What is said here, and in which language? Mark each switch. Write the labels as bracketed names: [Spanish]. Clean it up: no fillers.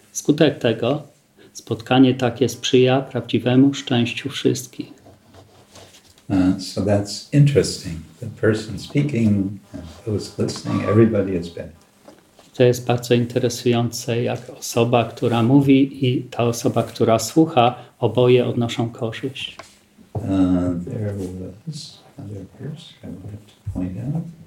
[Polish] Skutek tego, spotkanie takie sprzyja prawdziwemu szczęściu wszystkich. [English] So that's interesting. The person speaking, those listening, everybody is benefited. [Polish] To jest bardzo interesujące, jak osoba, która mówi, i ta osoba, która słucha, oboje odnoszą korzyść. [English] There was another verse I wanted to point out.